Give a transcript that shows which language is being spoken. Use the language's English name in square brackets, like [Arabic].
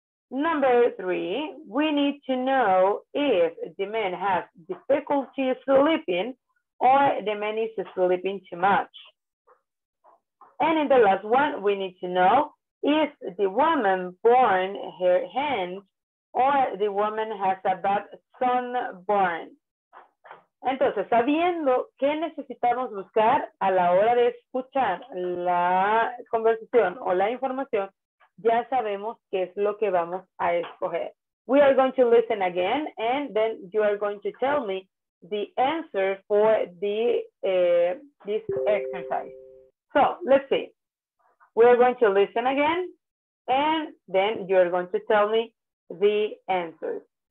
[English] Number three, we need to know if the man has difficulty sleeping or the man is sleeping too much. And in the last one, we need to know if the woman burned her hand or the woman has a bad sunburn. [Spanish] Entonces, sabiendo qué necesitamos buscar a la hora de escuchar la conversación o la información, ya sabemos qué es lo que vamos a escoger. [English] We are going to listen again, and then you are going to tell me the answer for the this exercise. So, let's see. We are going to listen again, and then you are going to tell me the answers.